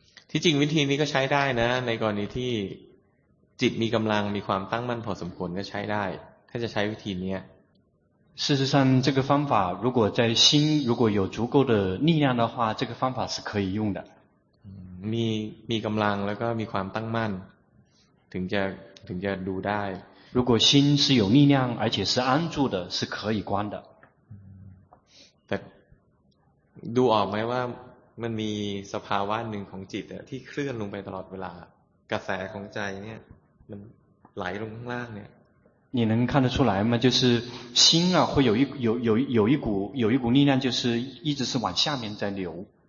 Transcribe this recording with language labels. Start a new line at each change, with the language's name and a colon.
Thai: ที่จริงวิธีนี้ก็ใช้ได้นะในกรณีที่จิตมีกำลังมีความตั้งมั่นพอสมควรก็ใช้ได้ถ้าจะใช้วิธีนี้
Chinese: 事实上这个方法如果在心如果有足够的力量的话这个方法是可以用的
Thai: มีกำลังแล้วก็มีความตั้งมั่นถึงจะดูได้
Chinese: 如果心是有力量而且是安住的是可以观的
Thai: แต่ดูออกไหมว่ามันมีสภาวะหนึ่งของจิตที่เคลื่อนลงไปตลอดเวลากระแสของใจเนี่ยมันไหลลงข้างล่างเนี่ย
Chinese: 你能看得出来吗？就是心啊，会有一股力量，就是一直是往下面在流。